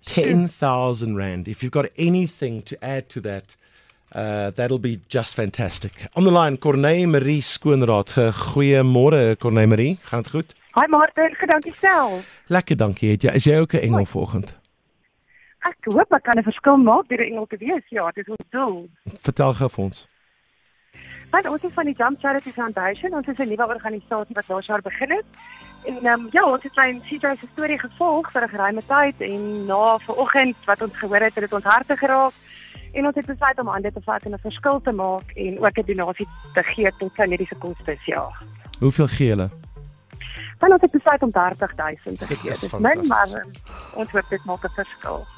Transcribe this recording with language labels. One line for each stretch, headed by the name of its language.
English: 10,000 rand. If you've got anything to add to that, that'll be just fantastic. On the line,
Afrikaans: Corneille Marie Skoonraad. Goeiemôre, Corneille Marie. Gaan dit goed? Hi, Martin. Gedankie self. Lekker dankie. Ja, is jy ook 'n engel volgend? Ek hoop ek kan 'n verskil maak deur 'n engel te wees. Ja, dit is ons doel. Vertel gou vir ons. Want ons is van die Jump Charity Foundation, ons is een nieuwe organisatie wat laas jaar begin het. En ja, ons het mijn CJ's story gevolg vir 'n geruime tyd en na vanoggend wat ons gehoor het, het ons harte geraak. En ons het besluit om aan dit te vat en 'n verskil te maak en ook 'n donasie te gee tot sy mediese kostes, ja. Hoeveel gee julle? Want ons het besluit om R30,000 te gee. Dit is min, maar ons hoop dit maak 'n verskil.